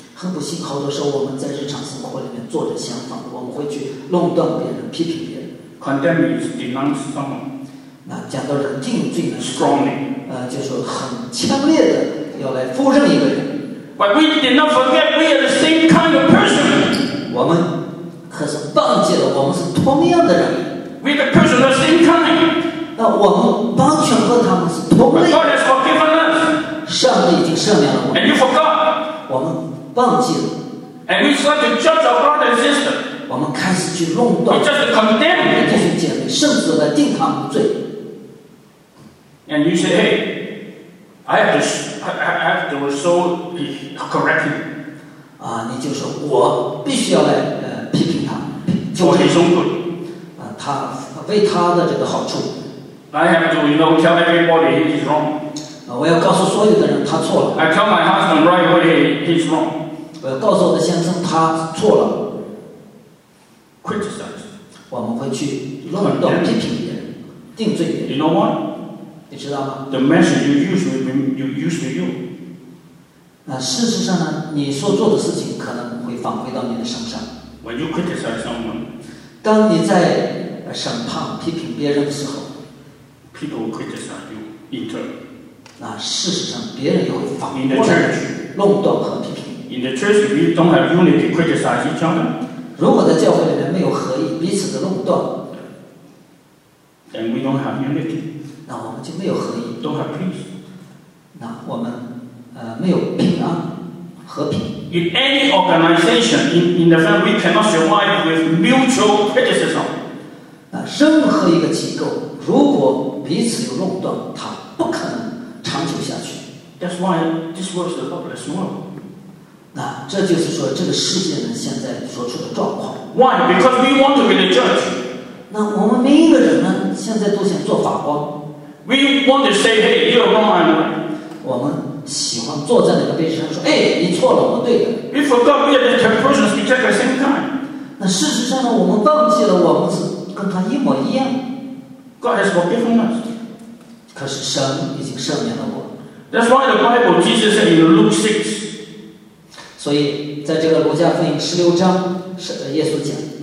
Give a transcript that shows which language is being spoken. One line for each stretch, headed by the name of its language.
Chinese: 很不幸，好多时候我们在日常生活里面做着相反，我们会去论断别人、批评别人。
English: Condemn is denounce someone.
Chinese: 那讲到人定罪呢
English: ？Strongly.
Chinese: 就是很强烈的要来否认一个人。
English: But we did not forget we are the same kind of person.
Chinese: 我们可是忘记了我们是同样的人。
English: We the person of the same kind.
Chinese: 那我们完全和他们是同类。
English: God has forgiven us.
Chinese: 上帝已经赦免了我们。
English: And you forgot.
Chinese: 我们忘记了。
English: And we start to judge our brother and sister.
Chinese: 我们开始去论断。
English: We just condemn.
Chinese: 弟兄姐妹，甚至来定他们罪。
English: And you say, hey, I have to so correct him.
Chinese: 你就说我必须要来批评他，纠正他。他为他的这个好处。
English: I have to, you know, tell everybody he is wrong.
Chinese: 我要告诉所有的人他错了。
English: I tell my husband right away he is wrong.
Chinese: 我要告诉我的先生他错了。
English: Criticize.
Chinese: 我们会去论断批评别人，定罪别人。
English: You know what?
Chinese: 你知道吗
English: ？The message you usually use.
Chinese: 那事实上呢，你所做的事情可能会反馈到你的身上。
English: When you criticize someone.
Chinese: 当你在审判、批评别人的时候
English: ，people will criticize you in turn.
Chinese: 那事实上，别人也会反过来论断和批评。
English: In the church, we don't have unity to criticize each other.
Chinese: 如果在教会里面没有合一，彼此的论断
English: ，then we don't have unity.
Chinese: 那我们就没有合一
English: ，don't have peace.
Chinese: 那我们没有平安和平。
English: In any organization, in the family, we cannot survive with mutual criticism.
Chinese: 任何一个机构，如果彼此有垄断，它不可能长久下去。
English: That's why this world is not as well.
Chinese: 那这就是说，这个世界呢，现在所处的状况。
English: Why? Because we want to be the judge.
Chinese: 那我们每一个人呢，现在都想做法官。
English: We want to say, "Hey, you're wrong, I'm right."
Chinese: 我们喜欢坐在那个位置上说，哎，你错了，我对的。
English: We forgot we are the persons exactly the same kind.
Chinese: 那事实上呢，我们忘记了我们是跟他一模一样。
English: God has forgiven us.
Chinese: 可是神已经赦免了我。
English: That's why the Bible Jesus said in Luke 6.
Chinese: 所以在这个路加福音十六章，是耶稣讲。